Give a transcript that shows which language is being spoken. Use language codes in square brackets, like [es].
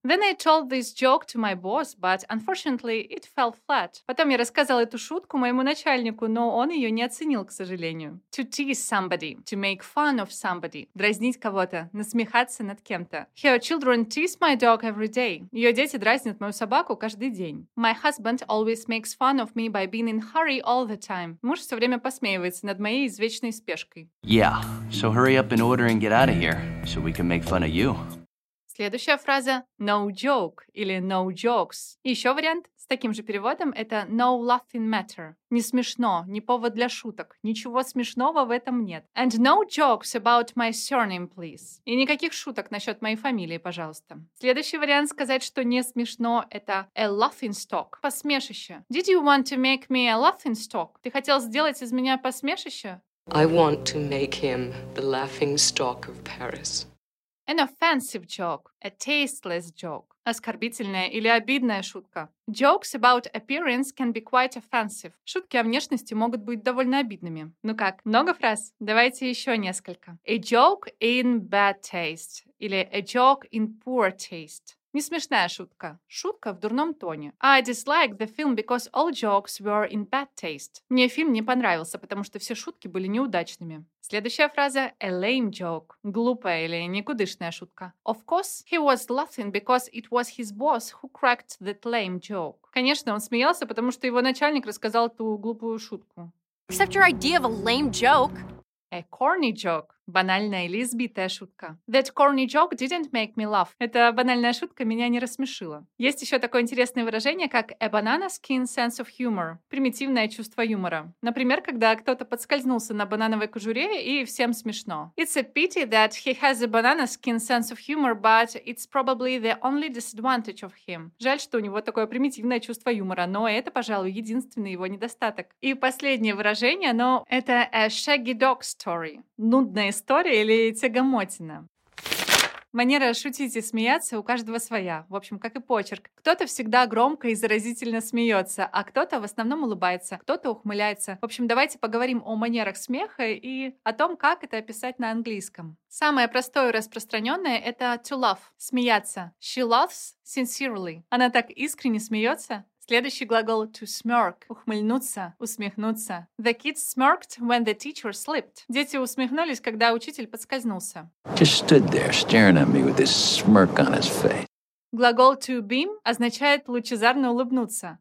[en] Then I told this joke to my boss, but unfortunately it fell flat. [ru] Потом я рассказал эту шутку моему начальнику, но он ее не оценил, к сожалению. [en] To tease somebody. To make fun of somebody. [ru] Дразнить кого-то. Насмехаться над кем-то. [en] Her children tease my dog every day. [ru] Ее дети дразнят мою собаку каждый день. [en] My husband always makes fun of me by being in hurry all the time. [ru] Муж все время посмеивается над моей извечной спешкой. [en] Yeah, so hurry up and order and get out of here, so we can make fun of you. [ru] Следующая фраза [en] «no joke» [ru] или [en] «no jokes». [ru] Еще вариант с таким же переводом – это [en] «no laughing matter». [ru] Не смешно, не повод для шуток, ничего смешного в этом нет. [en] And no jokes about my surname, please. [ru] И никаких шуток насчет моей фамилии, пожалуйста. Следующий вариант сказать, что не смешно – это [en] «a laughing stock» [ru] – посмешище. [en] Did you want to make me a laughing stock? [ru] Ты хотел сделать из меня посмешище? [en] I want to make him the laughing stock of Paris. An offensive joke, a tasteless joke, [ru] оскорбительная или обидная шутка. [en] Jokes about appearance can be quite offensive. [ru] Шутки о внешности могут быть довольно обидными. Ну как, много фраз? Давайте еще несколько. [en] A joke in bad taste [ru] или [en] a joke in poor taste. [ru] Несмешная шутка. Шутка в дурном тоне. [en] I disliked the film because all jokes were in bad taste. [ru] Мне фильм не понравился, потому что все шутки были неудачными. Следующая фраза – [en] a lame joke. [ru] Глупая или никудышная шутка. [en] Of course, he was laughing because it was his boss who cracked that lame joke. [ru] Конечно, он смеялся, потому что его начальник рассказал ту глупую шутку. [en] Except your idea of a lame joke. A corny joke. [ru] Банальная лесбитая шутка. [en] That corny joke didn't make me laugh. [ru] Эта банальная шутка меня не рассмешила. Есть еще такое интересное выражение, как [en] a banana skin sense of humor. [ru] Примитивное чувство юмора. Например, когда кто-то подскользнулся на банановой кожуре, и всем смешно. [en] It's a pity that he has a banana skin sense of humor, but it's probably the only disadvantage of him. [ru] Жаль, что у него такое примитивное чувство юмора, но это, пожалуй, единственный его недостаток. И последнее выражение, но это [en] a shaggy dog story. [ru] Нудная история или тягомотина? Манера шутить и смеяться у каждого своя. В общем, как и почерк. Кто-то всегда громко и заразительно смеется, а кто-то в основном улыбается, кто-то ухмыляется. В общем, давайте поговорим о манерах смеха и о том, как это описать на английском. Самое простое и распространенное – это [en] to laugh [ru] – смеяться. [en] She laughs sincerely. [ru] Она так искренне смеется. Следующий глагол [en] to smirk [ru] – ухмыльнуться, усмехнуться. [en] The kids smirked when the teacher slipped. [ru] Дети усмехнулись, когда учитель подскользнулся. [en] Just stood there staring at me with this smirk on his face. [ru] Глагол [en] to beam [ru] означает лучезарно улыбнуться.